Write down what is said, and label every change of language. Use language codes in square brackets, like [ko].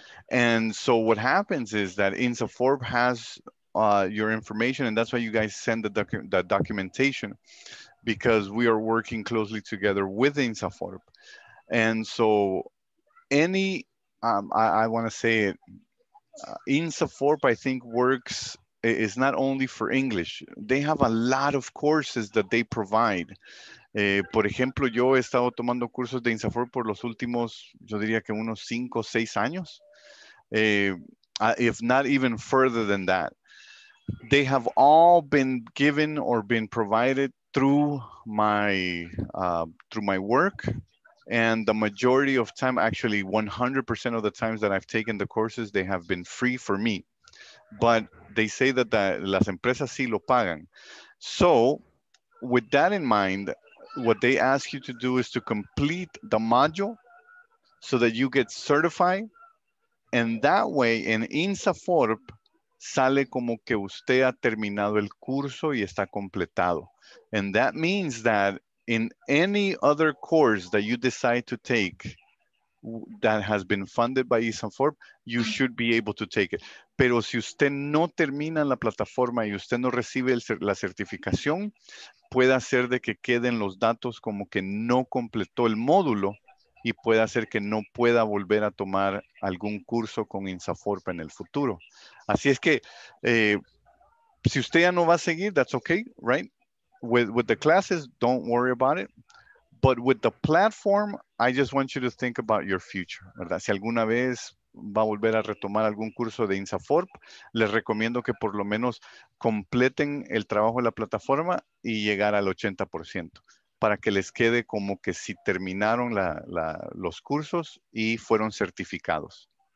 [en] And so what happens is that INSAFORP has your information, and that's why you guys send the documentation, because we are working closely together with INSAFORP. And so any, I want to say it, INSAFORP, I think, works, is not only for English. They have a lot of courses that they provide. [es] Por ejemplo, yo he estado tomando cursos de INSAFORP por los últimos, yo diría que unos 5 o 6 años. [en] If not even further than that, they have all been given or been provided through my work. And the majority of time, actually 100% of the times that I've taken the courses, they have been free for me. But they say that [es] las empresas sí lo pagan. [en] So with that in mind, what they ask you to do is to complete the module so that you get certified. And that way, [es] in INSAFORP, sale como que usted ha terminado el curso y está completado. [en] And that means that in any other course that you decide to take that has been funded by INSAFORP, you should be able to take it. [es] Pero si usted no termina la plataforma y usted no recibe la certificación, puede hacer de que queden los datos como que no completó el módulo, y puede hacer que no pueda volver a tomar algún curso con INSAFORP en el futuro. Así es que, si usted ya no va a seguir, [en] that's okay, right? With the classes, don't worry about it. But with the platform, I just want you to think about your future, ¿verdad? [es] Si alguna vez va a volver a retomar algún curso de INSAFORP, les recomiendo que por lo menos completen el trabajo de la plataforma y llegar al 80%. Para que les quede como que si terminaron los cursos y fueron certificados.